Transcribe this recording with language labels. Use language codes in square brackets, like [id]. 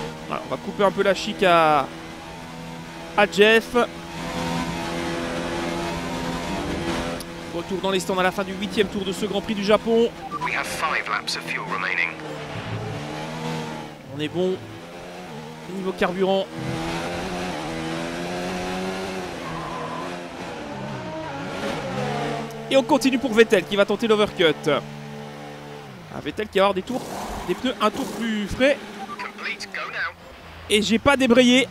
[fr] Alors, on va couper un peu la chic à Jeff. Retour dans les stands à la fin du 8e tour de ce Grand Prix du Japon. [en] We have 5 laps of fuel remaining. [fr] On est bon niveau carburant. Et on continue pour Vettel qui va tenter l'overcut. Ah, Vettel qui va avoir des pneus un tour plus frais. [en] Complete, go now. [fr] Et j'ai pas débrayé.